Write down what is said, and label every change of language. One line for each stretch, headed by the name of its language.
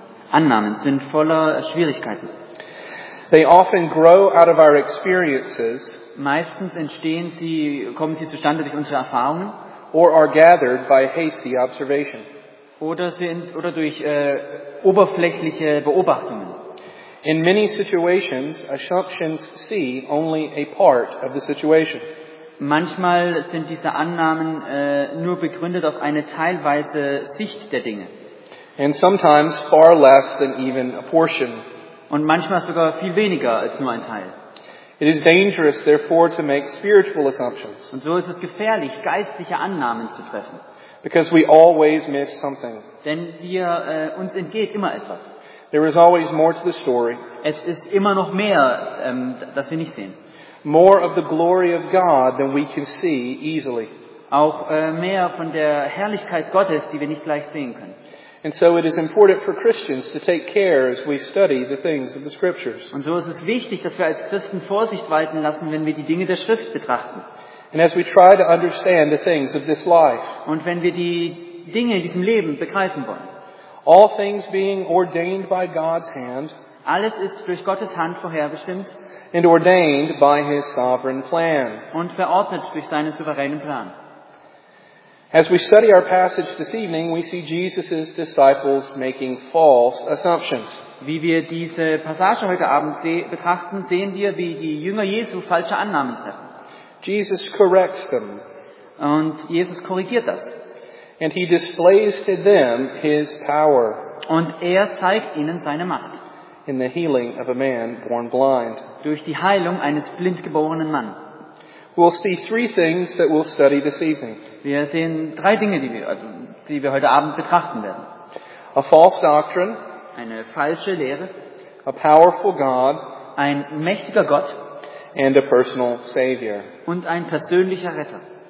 German: Annahmen sind voller Schwierigkeiten.
English: They often grow out of our experiences.
German: Meistens entstehen sie, kommen sie zustande durch unsere Erfahrungen.
English: Or are gathered by hasty observation.
German: Oder durch oberflächliche Beobachtungen.
English: In many situations, assumptions see only a part of the situation.
German: Manchmal sind diese Annahmen nur begründet auf eine teilweise Sicht der Dinge.
English: And sometimes far less than even a portion.
German: Und manchmal sogar viel weniger als nur ein Teil.
English: It is dangerous, therefore, to make spiritual assumptions.
German: Und so ist es gefährlich, geistliche Annahmen zu treffen.
English: Because we always miss something.
German: Denn wir uns entgeht immer etwas.
English: There is always more to the story.
German: Es ist immer noch mehr, das wir nicht sehen.
English: More of the glory of God than we can see easily.
German: Auch mehr von der Herrlichkeit Gottes, die wir nicht gleich sehen können.
English: And so it is important for Christians to take care as we study the things of the Scriptures.
German: Und so ist es wichtig, dass wir als Christen Vorsicht walten lassen, wenn wir die Dinge der Schrift betrachten.
English: And as we try to understand the things of this life.
German: Und wenn wir die Dinge in diesem Leben begreifen wollen.
English: All things being ordained by God's hand.
German: Alles ist durch Gottes Hand vorherbestimmt
English: and ordained by his sovereign plan.
German: Und verordnet durch seinen souveränen Plan.
English: As we study our passage this evening, we see Jesus' disciples making false assumptions.
German: Wie wir diese Passage heute Abend betrachten, sehen wir, wie die Jünger Jesu falsche Annahmen treffen.
English: Jesus corrects them.
German: Und Jesus korrigiert das.
English: And he displays to them his power.
German: Und zeigt ihnen seine Macht.
English: In the healing of a man born blind.
German: Durch die Heilung eines blindgeborenen Mannes.
English: We'll see three things that we'll study this evening.
German: Wir sehen drei Dinge, die wir heute Abend betrachten werden.
English: A false doctrine.
German: Eine falsche Lehre.
English: A powerful God.
German: Ein mächtiger Gott.
English: And a personal Savior.
German: Und ein persönlicher Retter.